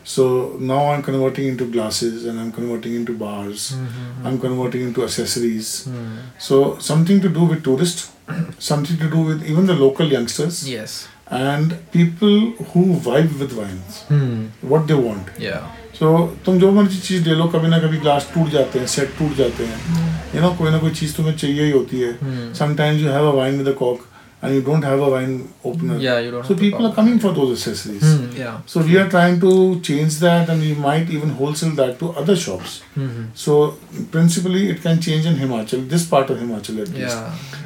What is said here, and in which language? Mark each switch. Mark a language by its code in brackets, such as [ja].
[en] So now I'm converting into glasses and I'm converting into bars. Mm-hmm. I'm converting into accessories. Mm-hmm. So something to do with tourists, something to do with even the local youngsters. Yes. And people who vibe with wines, what they want. Yeah. [hi] So, तुम जो मर्जी चीज़ ले लो, कभी ना कभी glass टूट जाते हैं, set टूट जाते हैं. You know, कोई ना कोई चीज़ तुम्हें चाहिए ही होती है. [en] Sometimes you have a wine with a cork, and you don't have a wine opener. Yeah, you don't. So people are coming for those accessories. Yeah. So we are trying to change that, and we might even wholesale that to other shops. So principally, it can change in Himachal, this part of Himachal at least. Yeah.